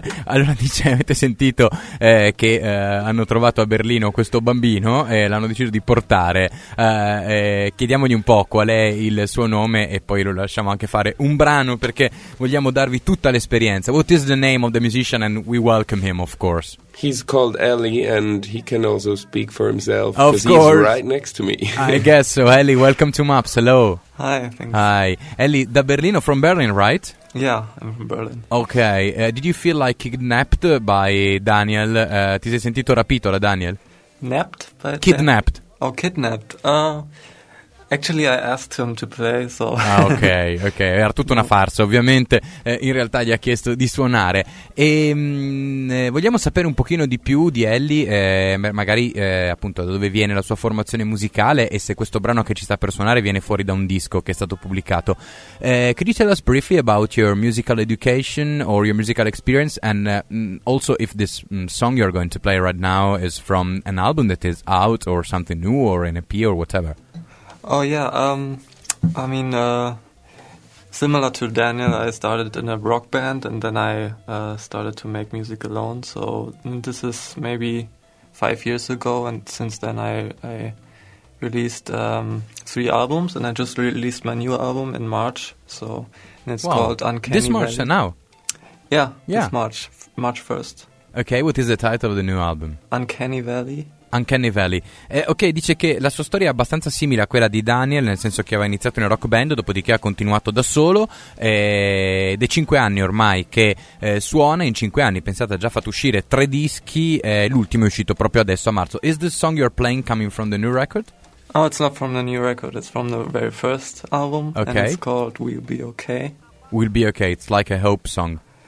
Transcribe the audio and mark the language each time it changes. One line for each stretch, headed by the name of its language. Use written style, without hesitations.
Italian: Allora dice, avete sentito che hanno trovato a Berlino questo bambino e l'hanno deciso di portare. Chiediamogli un po' qual è il suo nome e poi lo lasciamo anche fare un brano perché vogliamo darvi tutta l'esperienza.
English: What is the name of the musician and we welcome him, of course. He's called Ellie and he can also speak for himself. Of course. He's right next to me. I guess so. Ellie, welcome to MAPS. Hello. Hi, thanks. Hi. Ellie,
Italian: da Berlino,
English: from Berlin, right? Yeah, I'm from Berlin. Okay. Did you feel like kidnapped by Daniel?
Italian: Ti sei sentito rapito da Daniel?
English: Napped? Kidnapped. Oh, kidnapped. Actually, I asked him to play, so...
Italian: Ah, ok, era tutta una farsa, ovviamente, in realtà gli ha chiesto di suonare. E vogliamo sapere un pochino di più di Ellie, magari appunto da dove viene la sua formazione musicale e se questo brano che ci sta per suonare viene fuori da un disco che è stato pubblicato.
English: Could you tell us briefly about your musical education or your musical experience and also if this song you're going to play right now is from an album that is out or something new or an EP or whatever? Oh yeah, I mean, similar to Daniel, I started in a rock band and then I started to make music alone, so this is maybe 5 years ago, and since then I released 3 albums, and I just released my new album in March, so and it's called Uncanny. This March and now? Yeah, this March, March 1st. Okay, what is the title of the new album? Uncanny Valley. Uncanny Valley.
Italian: Ok, dice che la sua storia è abbastanza simile a quella di Daniel, nel senso che aveva iniziato in una rock band, dopodiché ha continuato da solo ed è 5 anni ormai che suona. In 5 anni, pensate, ha già fatto uscire 3 dischi, l'ultimo è uscito proprio adesso a marzo.
English: Is this song you're playing coming from the new record? Oh, it's not from the new record, it's from the very first album. Okay. And it's called We'll Be Okay. We'll Be Okay, it's like a hope song.